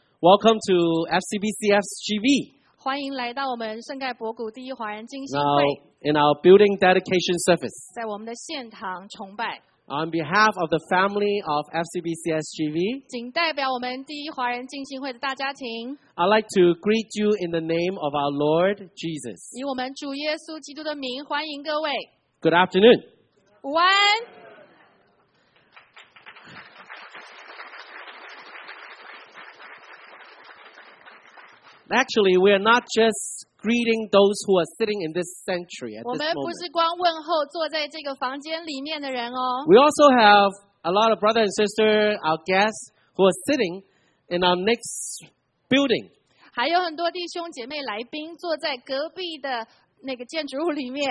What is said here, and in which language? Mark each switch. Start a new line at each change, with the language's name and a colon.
English: Welcome to FCBCSGV.
Chinese: 欢迎来到我们圣盖博谷第一华人精心会。
English: Now, in our building dedication service.
Chinese: 在我们的现堂崇拜。
English: On behalf of the family of FCBCSGV,
Chinese: 请代表我们第一华人敬信会的大家庭。
English: I'd like to greet you in the name of our Lord Jesus.
Chinese: 以我们主耶稣基督的名欢迎各位。
English: Good afternoon.
Chinese: 午安。
English: Actually, we're not just greeting those who are sitting in this sanctuary at this moment.
Chinese: 我们不是光问候坐在这个房间里面的人哦。
English: We also have a lot of brothers and sisters, our guests, who are sitting in our next building.
Chinese: 还有很多弟兄姐妹来宾坐在隔壁的那个建筑物里面。